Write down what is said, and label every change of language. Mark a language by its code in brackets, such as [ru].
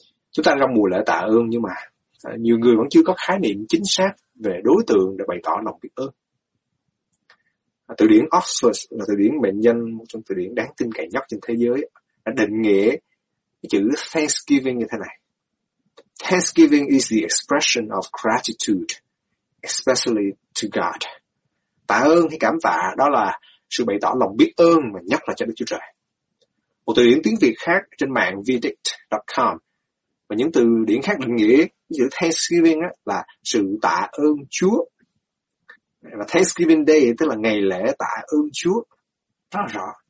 [vi] Chúng ta trong mùa lễ tạ ơn, nhưng mà nhiều người vẫn chưa có khái niệm chính xác về đối tượng để bày tỏ lòng biết ơn. Từ điển Oxford là từ điển mệnh danh, một trong từ điển đáng tin cậy nhất trên thế giới, đã định nghĩa cái chữ Thanksgiving như thế này. [en] Thanksgiving is the expression of gratitude, especially to God, [vi] tạ ơn hay cảm tạ, đó là sự bày tỏ lòng biết ơn mà nhất là cho Đức Chúa Trời. Một từ điển tiếng Việt khác trên mạng vdict.com và những từ điển khác định nghĩa như Thanksgiving là sự tạ ơn Chúa. Và Thanksgiving Day tức là ngày lễ tạ ơn Chúa. Rất rõ.